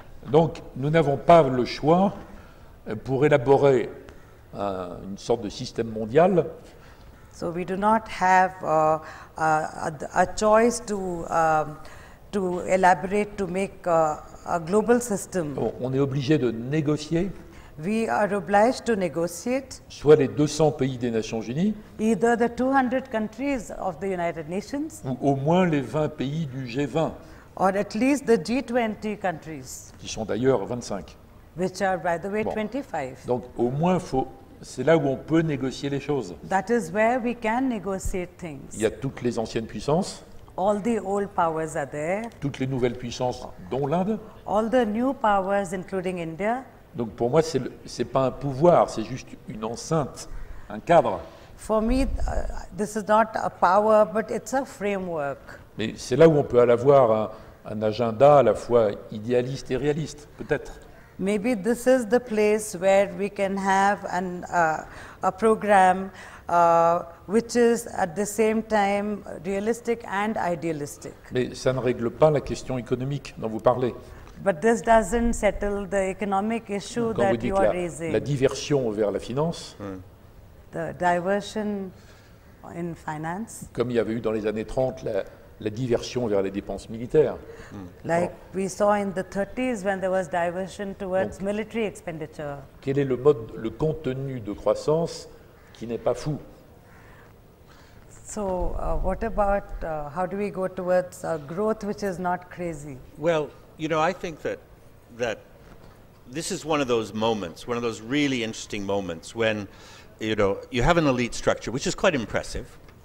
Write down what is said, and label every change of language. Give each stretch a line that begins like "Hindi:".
French: Donc, nous n'avons pas le choix pour élaborer une sorte de système mondial.
English: So we do not have a choice to elaborate, to make a global system.
French: Bon, on est obligé de négocier.
English: We are obliged to negotiate.
French: Soit les 200 pays des Nations Unies.
English: Either the 200 countries of the United Nations.
French: Ou au moins les 20 pays du G20.
English: Or at least the G20 countries.
French: Qui sont d'ailleurs 25.
English: Which are, by the way, bon. 25.
French: Donc au moins faut. C'est là où on peut négocier les choses.
English: That is where we can negotiate things.
French: Il y a toutes les anciennes puissances.
English: All the old powers are there.
French: Toutes les nouvelles puissances, dont l'Inde.
English: All the new powers, including India.
French: Donc pour moi, c'est pas un pouvoir, c'est juste une enceinte, un cadre.
English: For me, this is not a power, but it's a framework.
French: Mais c'est là où on peut avoir un agenda à la fois idéaliste et réaliste, peut-être.
English: Maybe this is the place where we can have a program which is at the same time realistic and idealistic.
French: Mais ça ne règle pas la question économique dont vous parlez.
English: But this doesn't settle the economic issue
French: quand
English: that you
French: la,
English: are raising.
French: La diversion vers la finance. Mm.
English: The diversion in finance.
French: Comme il y avait eu dans les années 30 la diversion vers les dépenses militaires. Mm. Like oh.
English: We saw in the 30s when there was diversion towards donc, military expenditure.
French: Quel est le mode, le contenu de croissance qui n'est pas fou?
English: So, what about how do we go towards growth which is not crazy? Well, you know, I think that this is one of those moments, one of those really interesting moments when, you know, you have an elite structure, which is quite impressive.